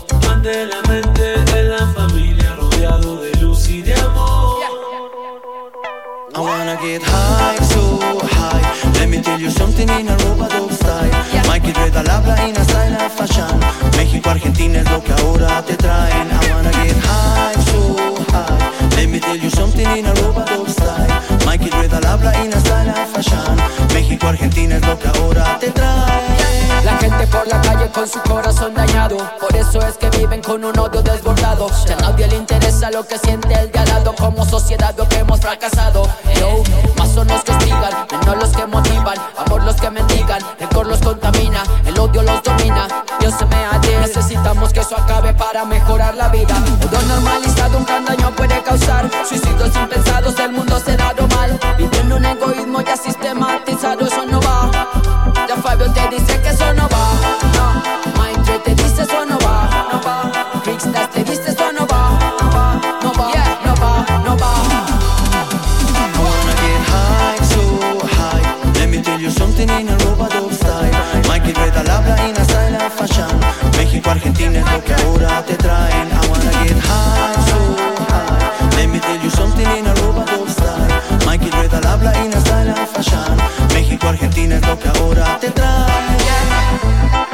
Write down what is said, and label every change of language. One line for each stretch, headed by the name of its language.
Spanish: Ante la mente de la familia, rodeado de luz y de amor.
English: I wanna get high, so high. Let me tell you something in a rubadub style.
Spanish: Mikey Dread al habla y hasta en la fashion. México, Argentina es lo que ahora te traen.
English: I wanna get high, so high. Let me tell you something in a rubadub style.
Spanish: Mikey Dread al habla y hasta en la fashion. México, Argentina es lo que ahora te traen. La gente por la calle con su corazón dañado, por eso es que viven con un odio desbordado. Ya nadie le interesa lo que siente el de al lado. Como sociedad veo que hemos fracasado. Yo, más son los que hostigan, menos los que motivan. Amor los que mendigan, rencor los contamina, el odio los domina. Dios se me ha dicho, necesitamos que eso acabe para mejorar la vida. Odio normalizado, un gran daño puede causar. Suicidios impensados, el mundo se da lo mal. Viviendo un egoísmo ya sistematizado, eso no va. Ya Fabio te dice que eso no va, no. Mindre te dice eso no va, no va. Freakstars te dice eso no va, no va, no va, yeah, no va, no va.
English: I wanna get high, so high. Let me tell you something in a rubadub style.
Spanish: Mikey Dread al habla y hasta en la fashion. México, Argentina es lo que ahora te traen.
English: I wanna get high, so high. Let me tell you something in a rubadub style.
Spanish: Mikey Dread al habla y hasta en la fashion. México, Argentina es lo que ahora te traen.